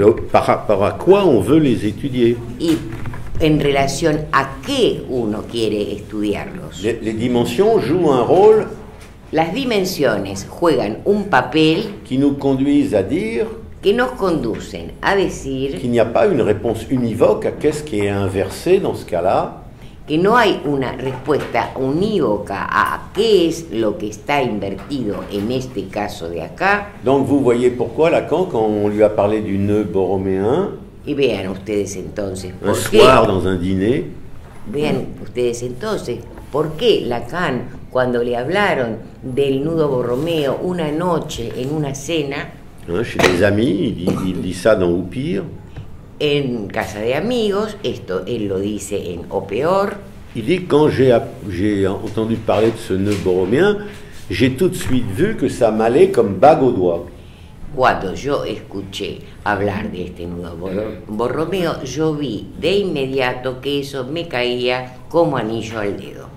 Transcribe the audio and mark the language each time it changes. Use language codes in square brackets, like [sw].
[fr] Par rapport à quoi on veut les étudier. [es] Y en relación a qué uno quiere estudiarlos. [fr] Les dimensions jouent un rôle. [es] Las dimensiones juegan un papel. [fr] Qui nous conduisent à dire. [es] Que nos conducen a decir. [fr] Qu'il n'y a pas une réponse univoque à qu'est-ce qui est inversé dans ce cas-là. [es] Que no hay una respuesta unívoca a qué es lo que está invertido en este caso de acá. [fr] Donc vous voyez pourquoi Lacan, quand on lui a parlé du nœud borroméen. [es] Y vean ustedes entonces por qué. [fr] Un soir dans un dîner. [es] Vean ustedes entonces por qué Lacan, cuando le hablaron del nudo borromeo una noche en una cena. [fr] Hein, chez des amis, il dit ça dans Oupir. [es] En casa de amigos, esto él lo dice en O peor. [fr] Il dit, quand j'ai entendu parler de ce nœud borroméen, j'ai tout de suite vu que ça m'allait comme bague au doigt. [es] Cuando yo escuché hablar de este nudo borromeo, yo vi de inmediato que eso me caía como anillo al dedo.